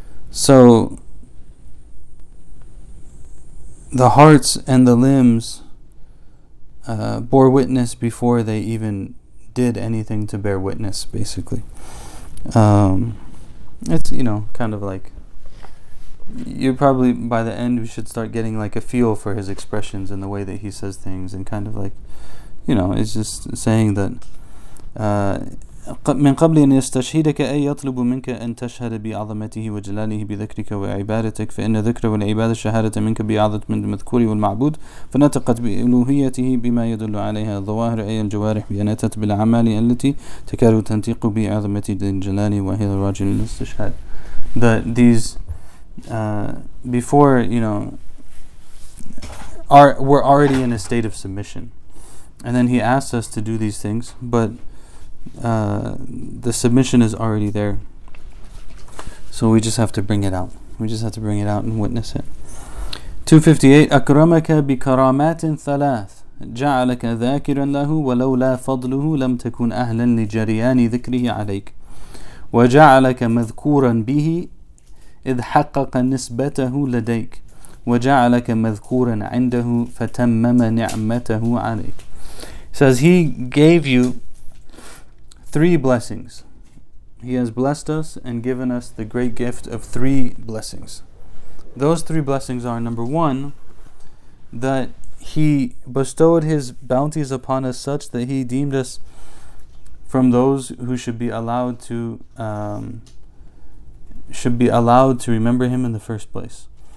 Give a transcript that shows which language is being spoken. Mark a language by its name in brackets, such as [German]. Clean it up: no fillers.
[English] So the hearts and the limbs bore witness before they even did anything to bear witness, basically. It's, you know, kind of like, you probably, by the end, we should start getting like a feel for his expressions and the way that he says things, and kind of like, you know, it's just saying that [Arabic] من قبل أن يستشهدك أي يطلب منك أن تشهد بعظمته وجلاله بذكرك وعبادتك فإن ذكر والعبادة شهادة منك بعظمة من المذكور والمعبود فنطقت بألوهيته بما يدل عليها الظواهر أي الجوارح بأنتت بالعمال التي تكاد تنطق بعظمة جلاله وهي الراجل الاستشهاد. [English] That these before, you know, we're already in a state of submission, and then he asks us to do these things, but the submission is already there, so we just have to bring it out. We just have to bring it out and witness it. 258. [Arabic] أكرمك بكرامات ثلاث جعلك ذاكرا له ولولا فضله لم تكن أهلا لجريان ذكره عليك وجعلك مذكورا به إذ حقق نسبته لديك وجعلك مذكورا عنده فتمم نعمته عليك. [English] Says he gave you three blessings. He has blessed us and given us the great gift of three blessings. Those three blessings are, number one, that he bestowed his bounties upon us such that he deemed us from those who should be allowed to remember him in the first place.